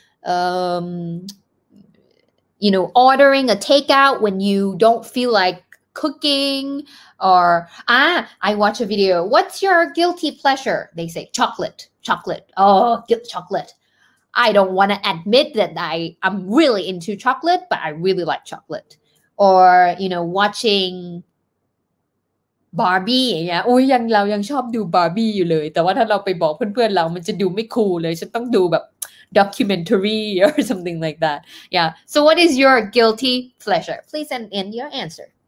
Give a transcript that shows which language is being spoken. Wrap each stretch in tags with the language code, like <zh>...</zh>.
<en>You know, ordering a takeout when you don't feel like cooking. Or, I watch a video. What's your guilty pleasure? They say chocolate. Oh, guilt chocolate. I don't want to admit that I'm really into chocolate, but I really like chocolate. Or, you know, watching Barbie. Yeah.</en> <th>โอ้ยยังเรายังชอบดู Barbie อยู่เลยแต่ว่าถ้าเราไปบอกเพื่อนๆเรามันจะดูไม่คูลเลยฉันต้องดูแบบ</th> <en>documentary or something like that. Yeah. So what is your guilty pleasure? Please send in your answer.</en>